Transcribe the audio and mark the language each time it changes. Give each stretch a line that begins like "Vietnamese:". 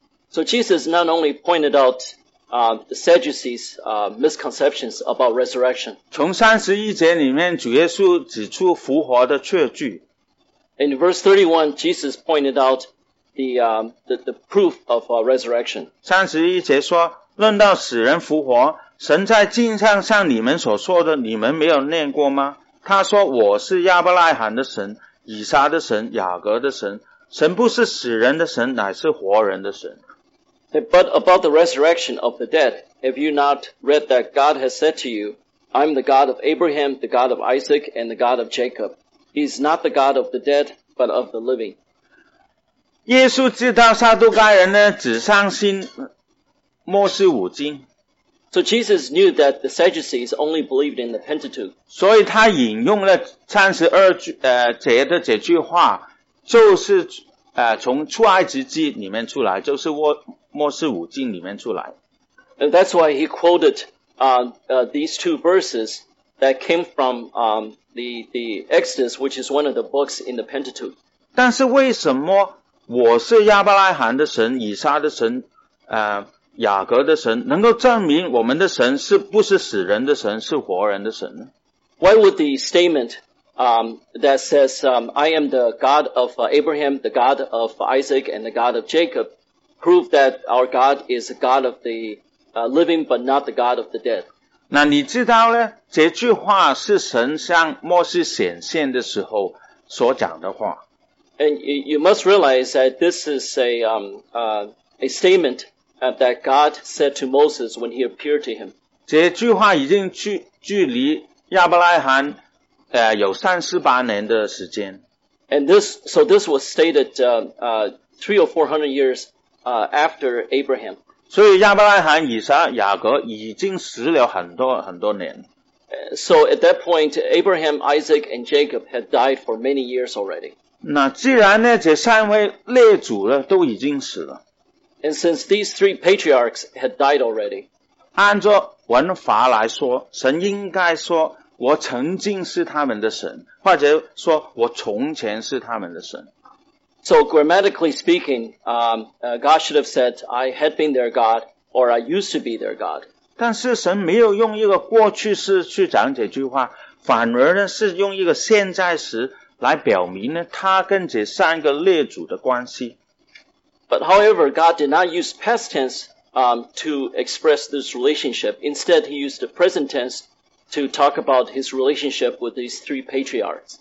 English: So Jesus not only pointed out the Sadducees' misconceptions about resurrection.
Chinese: 从31节里面，主耶稣指出复活的确据。
English: In verse 31, Jesus pointed out the proof of resurrection.
Chinese: 31节说，论到死人复活，神在经上像你们所说的，你们没有念过吗？他说，我是亚伯拉罕的神，以撒的神，雅各的神。神不是死人的神，乃是活人的神。
English: But about the resurrection of the dead, have you not read that God has said to you, I'm the God of Abraham, the God of Isaac, and the God of Jacob. He is not the God of the dead, but of the living.
Chinese: 耶稣知道撒都该人呢，只相信摩西五经。
English: So Jesus knew that the Sadducees only believed in the Pentateuch.
Chinese: 所以他引用了32节的这句话，就是从出埃及记里面出来，就是摩西五经里面出来。
English: And that's why he quoted these two verses that came from the Exodus, which is one of the books in the Pentateuch.
Chinese: 但是为什么我是亚伯拉罕的神，以撒的神，雅各的神，能够证明我们的神是不是死人的神，是活人的神呢？
English: Why would the statement that says I am the God of Abraham, the God of Isaac, and the God of Jacob prove that our God is the God of the living but not the God of the dead?
Chinese: 那你知道呢，这句话是神向摩西显现的时候所讲的话。
English: And you must realize that this is a statementthat God said to Moses when he appeared to him.
Chinese: 这句话已经距离亚伯拉罕有三四百年的时间。
English: And this was stated 300 or 400 years after Abraham.
Chinese: 所以亚伯拉罕、以撒、雅各已经死了很多很多年。
English: So at that point, Abraham, Isaac, and Jacob had died for many years already.
Chinese: 那既然呢，这三位列祖呢都已经死了。
English: And since these three patriarchs had died already,
Chinese: 按照文法来说，神应该说我曾经是他们的神，或者说我从前是他们的神。
English: So grammatically speaking, God should have said, I had been their God, or I used to be their God.
Chinese: 但是神没有用一个过去式去讲这句话，反而呢是用一个现在时来表明呢他跟这三个列祖的关系。
English: But however, God did not use past tense, to express this relationship. Instead, he used the present tense to talk about his relationship with these three patriarchs.